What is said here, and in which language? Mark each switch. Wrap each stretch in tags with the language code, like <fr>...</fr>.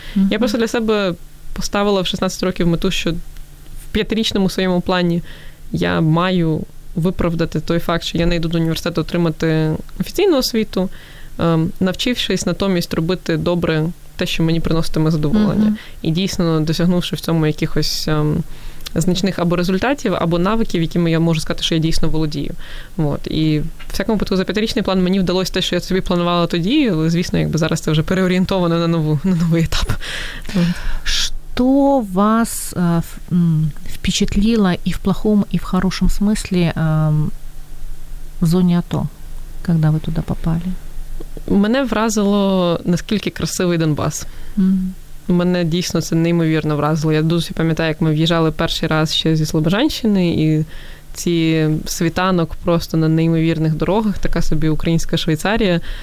<uk>Я просто для себе поставила в 16 років мету, що в 5-річному своєму плані я маю виправдати той факт, що я не йду до університету отримати офіційну освіту, навчившись натомість робити добре те, що мені приноситиме задоволення. І дійсно досягнувши в цьому якихось значних або результатів, або навиків, якими я можу сказати, що я дійсно володію. От. І в всякому випадку за 5-річний план мені вдалося те, що я собі планувала тоді, але, звісно, якби зараз це вже переорієнтовано на новий етап.</uk> <ru>Что вас впечатлило и в плохом, и в хорошем смысле</ru> <uk>в зоні АТО, коли ви туди попали? Мене вразило, наскільки красивий Донбас. Mm-hmm. Мене дійсно це неймовірно вразило. Я досі пам'ятаю, як ми в'їжджали перший раз ще зі Слобожанщини, і ці світанок просто на неймовірних дорогах, така собі українська Швейцарія.</uk>